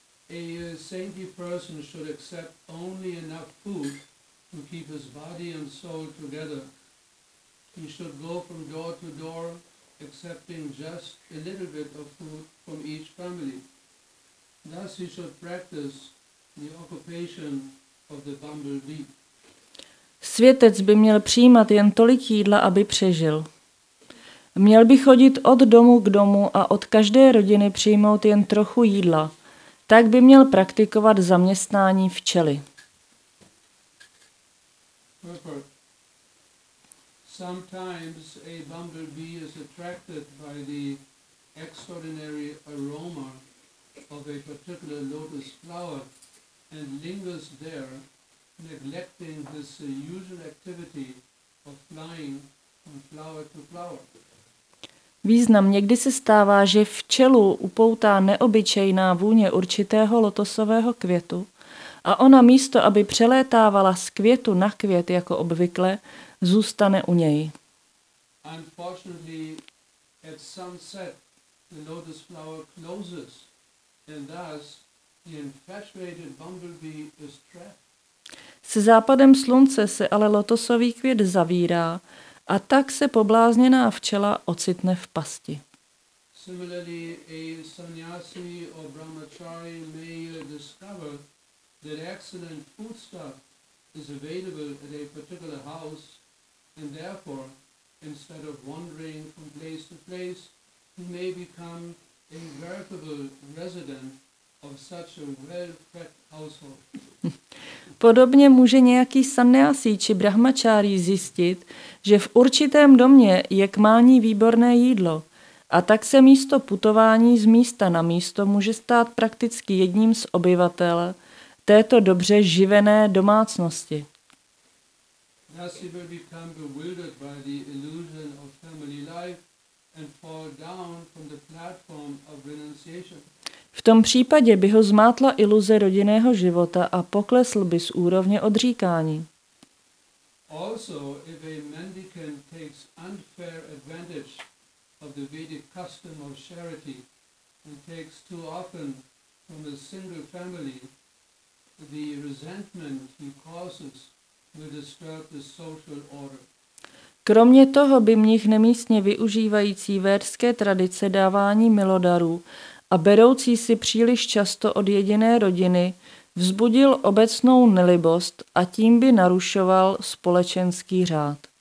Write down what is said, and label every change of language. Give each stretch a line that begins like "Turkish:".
English: A saintly person should accept only enough food to keep his body and soul together. He should go from door to door, accepting just a little bit of food from each family. Thus he should practice the occupation of the bumblebee.
Czech: Světec by měl přijímat jen tolik jídla, aby přežil. Měl by chodit od domu k domu a od každé rodiny přijmout jen trochu jídla. Tak by měl praktikovat zaměstnání včely.
English: Sometimes a bumblebee is attracted by the extraordinary aroma of a particular lotus flower and lingers there, neglecting this usual activity of flying from flower to flower.
Czech: Význam: někdy se stává, že včelu upoutá neobyčejná vůně určitého lotosového květu a ona místo, aby přelétávala z květu na květ jako obvykle, zůstane u něj.
English: Unfortunately, at sunset, the lotus flower closes, and thus the infatuated bumblebee is trapped.
Czech: Se západem slunce se ale lotosový květ zavírá a tak se poblázněná včela ocitne v pasti.
English: Similarly, a sannyasi or brahmachari may discover that excellent foodstuff is available at a particular house, and therefore, instead of wandering from place to place, he may become a veritable resident of such a well-fed household.
Czech: Podobně může nějaký sannyasi či brahmachari zjistit, že v určitém domě je k mání výborné jídlo, a tak se místo putování z místa na místo může stát prakticky jedním z obyvatel této dobře živené domácnosti.
English: Thus he will become bewildered by the illusion of family life and fall down from the platform of renunciation.
Czech: V tom případě by ho zmátla iluze rodinného života a poklesl by z úrovně odříkání.
English: Also, if a mendicant takes unfair advantage of the Vedic custom of charity and takes too often from a single family, the resentment he causes will disturb the social order.
Czech: Kromě toho by mnich nemístně využívající védské tradice dávání milodarů a beroucí si příliš často od jediné rodiny vzbudil obecnou nelibost a tím by narušoval společenský řád.